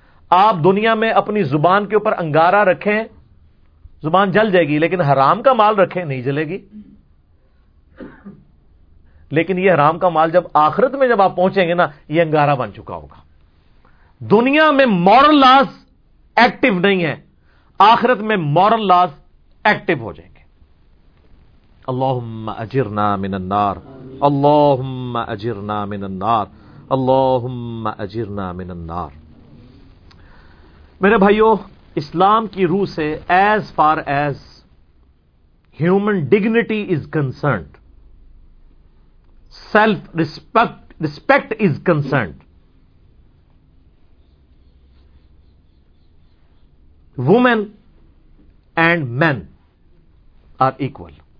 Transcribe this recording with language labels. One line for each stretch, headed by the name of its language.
Urdu: آپ دنیا میں اپنی زبان کے اوپر انگارہ رکھیں، زبان جل جائے گی، لیکن حرام کا مال رکھیں نہیں جلے گی. لیکن یہ حرام کا مال جب آخرت میں جب آپ پہنچیں گے نا، یہ انگارہ بن چکا ہوگا. دنیا میں مورل لاز ایکٹیو نہیں ہے، آخرت میں مورل لاز ایکٹیو ہو جائیں گے.
Arabic: اللہم اجرنا من النار، اللہم اجرنا من النار، اللہم اجرنا من النار.
Urdu: میرے بھائیو، اسلام کی روح سے
English: As far as human dignity is concerned, self respect is concerned, women and men are equal.